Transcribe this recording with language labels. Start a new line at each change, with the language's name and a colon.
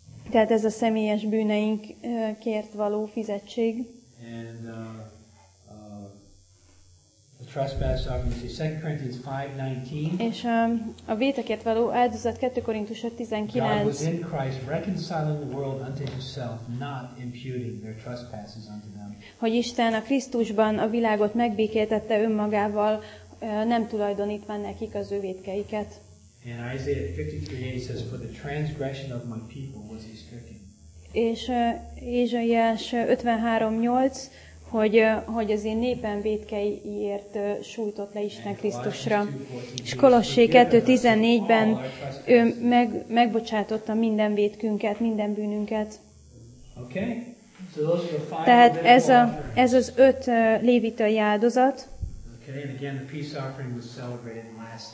Hungarian: Tehát ez a személyes bűneink kért való fizetség.
English: And the trespass offering. 2 Corinthians 5:19.
Hungarian: És a vétekért való áldozat 2 Korintus 5:19.
English: God was in Christ reconciling the world unto himself, not imputing their trespasses unto them.
Hungarian: Hogy Isten a Krisztusban a világot megbékéltette önmagával, nem tulajdonítva nekik az ő vétkeiket.
English: And Isaiah 53:8 says, "For the transgression of my people was he stricken."
Hungarian: És Ézsaiás 53:8, hogy az én népem vétkeiért sújtott le Isten Krisztusra. És Kolossé 2:14-ben ő megbocsátotta minden vétkünket, minden bűnünket.
English: Okay. So those are the five.
Hungarian: Tehát ez az 5 lévitai áldozat.
English: And again, the peace offering was celebrated last.